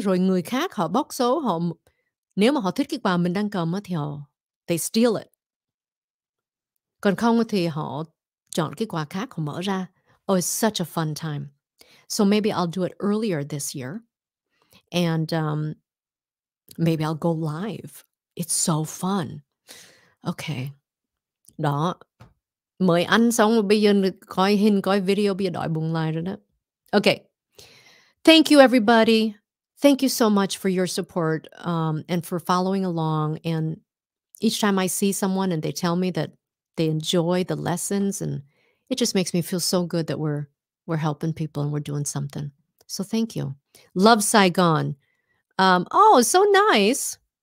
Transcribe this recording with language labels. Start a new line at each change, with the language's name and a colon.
Vietnamese: Rồi người khác họ bóc số, họ nếu mà họ thích cái quà mình đang cầm thì họ
English: they steal it.
Vietnamese: Còn không thì họ chọn cái quà khác họ mở ra.
English: Oh, it's such a fun time. So maybe I'll do it earlier this year, and maybe I'll go live. It's so fun. Okay. Đó.
Vietnamese: Mời ăn xong rồi bây giờ coi hình, coi video, bây giờ đòi bùng live rồi đó.
English: Okay. Thank you, everybody. Thank you so much for your support and for following along. And each time I see someone and they tell me that they enjoy the lessons, and it just makes me feel so good that we're helping people and we're doing something. So thank you. Love, Saigon. Oh, so nice.